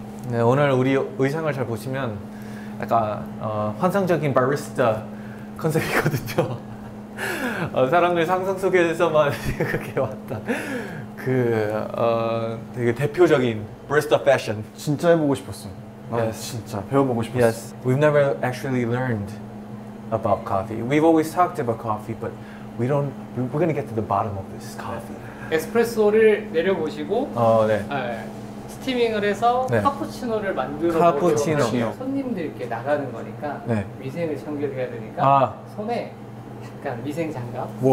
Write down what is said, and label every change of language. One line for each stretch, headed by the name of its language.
Korean: 네, 오늘 우리 의상을 잘 보시면 약간 환상적인 바리스타 컨셉이거든요. 사람들 상상 속에서만 그렇게 왔던 그 되게 대표적인 브리스타 패션. 진짜 해보고 싶었어요. 나 yes. 진짜 배워보고 싶었어요.
English: Yes. We've never actually learned about coffee. We've always talked about coffee, but we're gonna get to the bottom of this coffee.
Korean: 에스프레소를 내려보시고 네. 스티밍을 해서 네. 카푸치노를 만들어 카푸치노. 손님들께 나가는 거니까 네. 위생을 청결해야 되니까 손에 약간 위생장갑.